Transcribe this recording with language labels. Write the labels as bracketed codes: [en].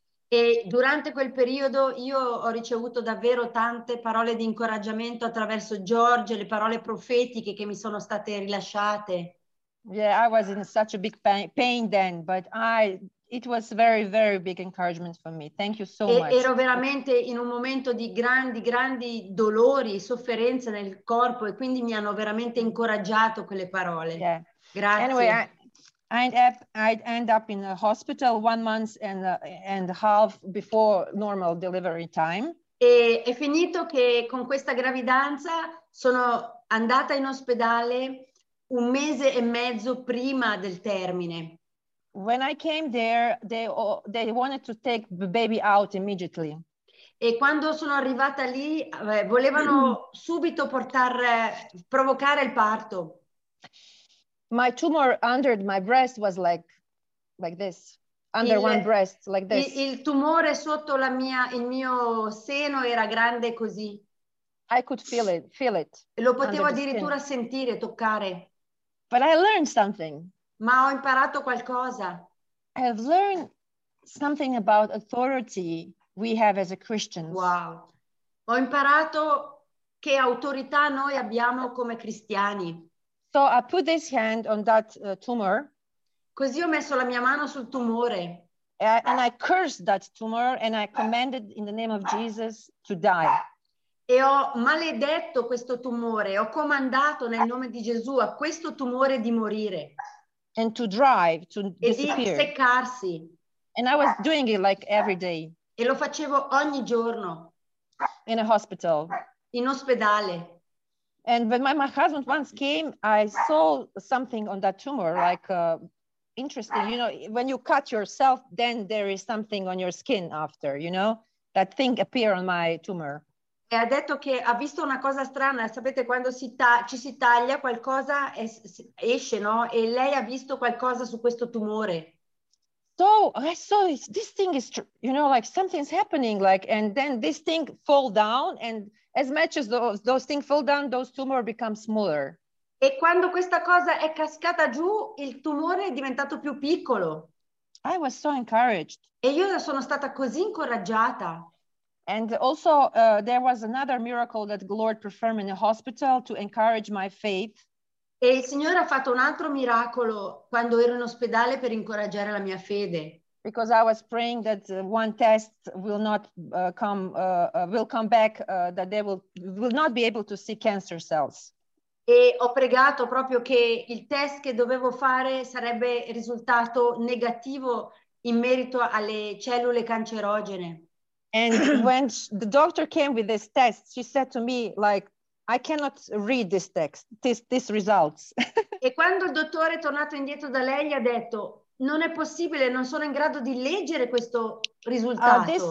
[it] E durante quel periodo io ho ricevuto davvero tante parole di incoraggiamento attraverso George, le parole profetiche che mi sono state rilasciate. [en] Yeah, I was in such a big pain then, but it was very, very big encouragement for me. Thank you so much. [it] Ero veramente in un momento di grandi, grandi dolori e sofferenze nel corpo e quindi mi hanno veramente incoraggiato quelle parole. [en] Yeah. [it] Grazie. [en] Anyway, I'd end up in a hospital 1 month and a half before normal delivery time. [it] E è finito che con questa gravidanza sono andata in ospedale 1 mese e mezzo prima del termine. [en] When I came there, they wanted to take the baby out immediately. [it] E quando sono arrivata lì, volevano subito provocare il parto. [en] My tumor under my breast was like this, under one breast, like this. [it] Il tumore sotto il mio seno era grande così. [en] I could feel it. [it] Lo potevo addirittura sentire, toccare. [en] But I learned something. [it] Ma ho imparato qualcosa. [en] I have learned something about authority we have as a Christian. Wow. [it] Ho imparato che autorità noi abbiamo come cristiani. [en] So I put this hand on that tumor. [it] Così ho messo la mia mano sul tumore. [en] And I cursed that tumor and I commanded in the name of Jesus to die. [it] E ho maledetto questo tumore, ho comandato nel nome di Gesù a questo tumore di morire. [en] And to drive, to disappear. [it] E di seccarsi. [en] And I was doing it like every day. [it] E lo facevo ogni giorno. [en] In a hospital. [it] In ospedale. [en] And when my husband once came, I saw something on that tumor, like interesting, you know, when you cut yourself, then there is something on your skin after, you know, that thing appear on my tumor. [it] E ha detto che ha visto una cosa strana, sapete quando ci si taglia qualcosa esce, no? E lei ha visto qualcosa su questo tumore. [en] So I saw this thing is, you know, like something's happening, like, and then this thing fall down, and as much as those things fall down, those tumor become smaller. [it] E quando questa cosa è cascata giù, il tumore è diventato più piccolo. [en] I was so encouraged. [it] E io sono stata così incoraggiata. [en] And also there was another miracle that the Lord performed in the hospital to encourage my faith. [it] E il Signore ha fatto un altro miracolo quando ero in ospedale per incoraggiare la mia fede. [en] Because I was praying that one test will not come back, that they will not be able to see cancer cells. [it] E ho pregato proprio che il test che dovevo fare sarebbe risultato negativo in merito alle cellule cancerogene. [en] And when the doctor came with this test, she said to me, like, I cannot read this text, this results. [it] E quando il dottore è tornato indietro da lei, gli ha detto, non è possibile, non sono in grado di leggere questo risultato.